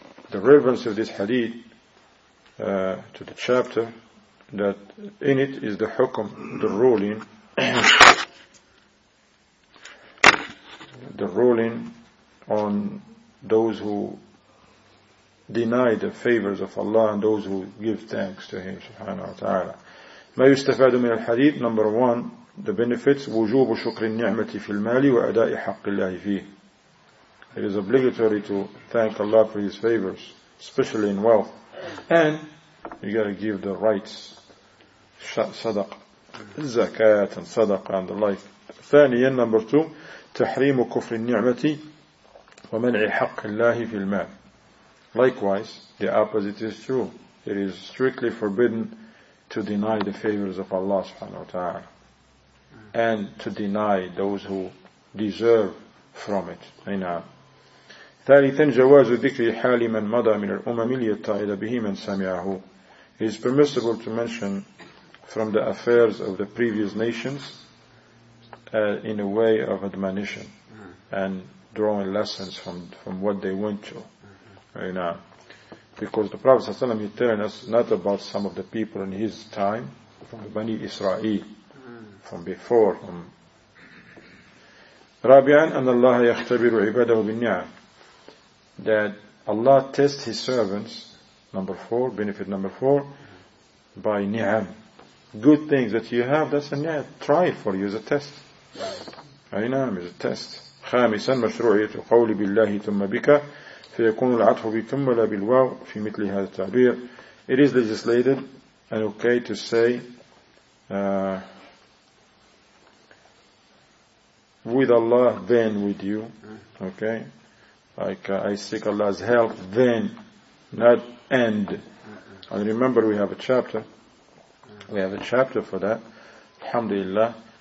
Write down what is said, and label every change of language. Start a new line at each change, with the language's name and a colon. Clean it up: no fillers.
English: The relevance of this hadith to the chapter that in it is the hukum, the ruling, the ruling on those who deny the favors of Allah and those who give thanks to Him, subhanahu wa ta'ala.
Arabic: ما يستفاد من الحديث,
English: number one, the benefits,
Arabic: وجوب شكر النعمة في المال وأداء حق الله فيه.
English: It is obligatory to thank Allah for His favors, especially in wealth. And you gotta give the rights, sadaq, zakat and sadaq and the like.
Arabic: Thaniyan,
English: number two,
Arabic: tahrimu kufr al-ni'mati wa man'i haqq Allahi fil mal.
English: Likewise, the opposite is true. It is strictly forbidden to deny the favors of Allah subhanahu wa ta'ala and to deny those who deserve from it.
Arabic: Ayna. ثالثا جواز ذكر حال من مضى من الأمم ليتعظ به من سمعه.
English: It is permissible to mention from the affairs of the previous nations in a way of admonition and drawing lessons from what they went through. Right now. Because the Prophet ﷺ, he telling us not about some of the people in his time from the Bani Israel, from before, from
Arabic: رابعا أن الله يختبر عباده بالنعم.
English: That Allah tests His servants. Number four, benefit number four, by ni'am. Good things that you have, that's a ni'am. Try it for you, it's a test.
Arabic: أي نعم,
English: it's a test.
Arabic: خامسا مشروعية القول بالله ثم بك فيكون العطف بكم ولا بالواو في مثل هذا التعبير.
English: It is legislated and okay to say with Allah then with you. Okay, like I seek Allah's help then, not and. And remember, we have a chapter. We have a chapter for that. Alhamdulillah.